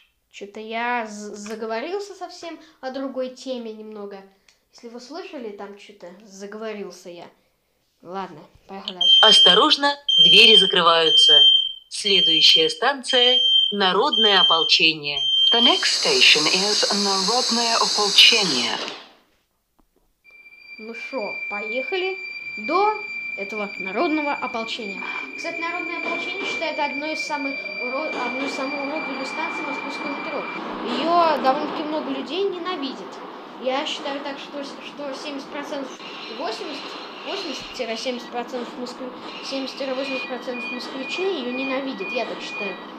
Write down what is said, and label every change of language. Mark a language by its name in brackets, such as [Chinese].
[Russian] Что-то я заговорился совсем о другой теме немного. Если вы слышали, там что-то заговорился я. Ладно, поехали дальше. Осторожно, двери закрываются. Следующая станция – народное ополчение. [English] The next station is народное ополчение. [Russian] Ну шо, поехали до этого народного ополчения. Кстати, народное ополчение считает одной из самых уродливых станций московского метро. Ее довольно-таки много людей ненавидит. Я считаю так, что 70-80% москвичей ее ненавидят, я так считаю.